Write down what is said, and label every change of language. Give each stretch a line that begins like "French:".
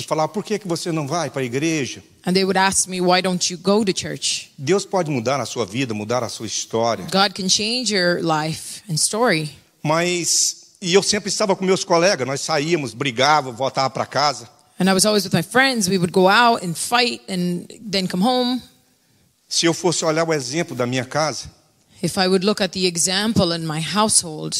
Portuguese: E falavam, por que você não vai para a igreja?
English: And they would ask me, why don't you go to church?
Portuguese: Deus pode mudar a sua vida, mudar a sua história.
English: God can change your life and story.
Portuguese: Mas, e eu sempre estava com meus colegas, nós saíamos, brigávamos, voltávamos para casa.
English: And I was always with my friends. We would go out and fight and then come home.
Portuguese: Se eu fosse olhar o exemplo da minha casa,
English: if I would look at the example in my household,